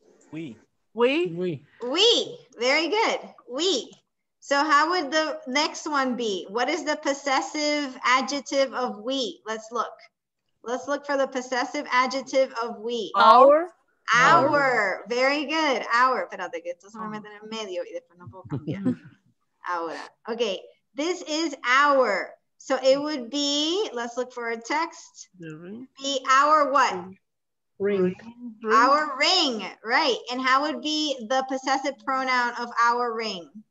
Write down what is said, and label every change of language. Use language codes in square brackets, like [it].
[en] We. Very good. We. So how would the next one be? What is the possessive adjective of we? Let's look. Let's look for the possessive adjective of we. Our. Our. Very good. Our. [es] Espérate que esto se me meten en medio y después no puedo cambiar. [en] Ahora. Okay, this is our. So it would be, let's look for a text. Be our what? Ring. Our ring, right. And how would be the possessive pronoun of our ring?